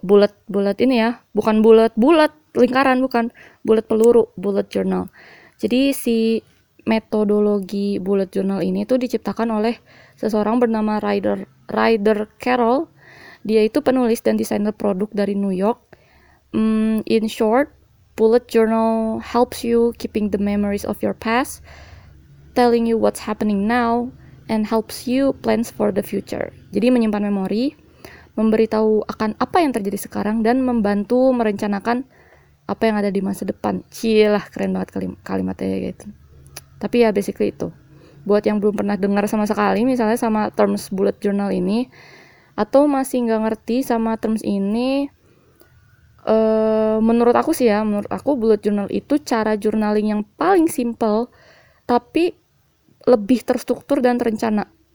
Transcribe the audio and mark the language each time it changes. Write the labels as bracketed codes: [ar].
[id] Bullet ini ya, bukan bullet lingkaran, bukan bullet peluru, bullet journal. Jadi si metodologi bullet journal ini tuh diciptakan oleh seseorang bernama Ryder Carroll. Dia itu penulis dan desainer produk dari New York. [en] In short, bullet journal helps you keeping the memories of your past, telling you what's happening now, and helps you plans for the future. [id] Jadi menyimpan memori, memberitahu akan apa yang terjadi sekarang, dan membantu merencanakan apa yang ada di masa depan. Cilah, keren banget kalimatnya gitu. Tapi ya basically itu. Buat yang belum pernah dengar sama sekali misalnya sama terms bullet journal ini, atau masih nggak ngerti sama terms ini, menurut aku bullet journal itu cara journaling yang paling simple, tapi lebih terstruktur dan terencana.